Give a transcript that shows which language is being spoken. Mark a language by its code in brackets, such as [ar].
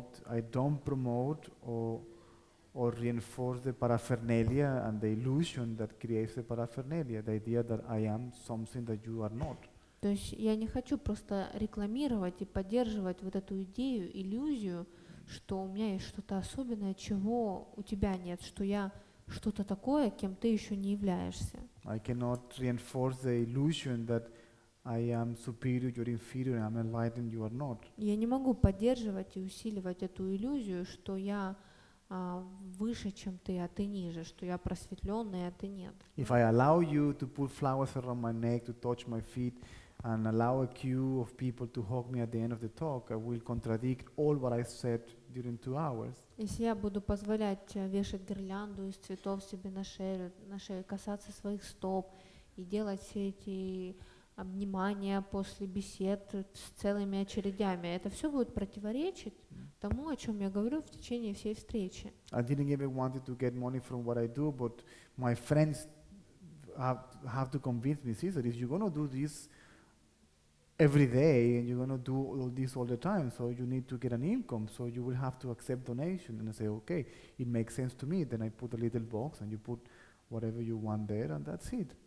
[en] I don't promote or reinforce the paraphernalia and the illusion that creates the paraphernalia, the idea that I am something that you are not. [ru] То есть я не хочу просто рекламировать и поддерживать вот эту идею, иллюзию, что у меня есть что-то особенное, чего у тебя нет, что я что-то такое, кем ты еще не являешься. [en] I cannot reinforce the illusion that I am superior, you're inferior, I'm enlightened, you are not. [ru] Я не могу поддерживать и усиливать эту иллюзию, что я выше, чем ты, а ты ниже, что я просветленный, а ты нет. [en] If I allow you to put flowers around my neck, to touch my feet, and allow a queue of people to hug me at the end of the talk, I will contradict all what I said during 2 hours. [ru] Если я буду позволять вешать гирлянду из цветов себе на шею, касаться своих стоп и делать все эти обнимания после бесед с целыми очередями, это все будет противоречить тому, о чем я говорю в течение всей встречи. [en] I didn't even want to get money from what I do, but my friends have to convince me, Caesar, if you're going to do this every day and you're going to do all this all the time, so you need to get an income, so you will have to accept donation. And I say, okay, it makes sense to me. Then I put a little box and you put whatever you want there, and that's it.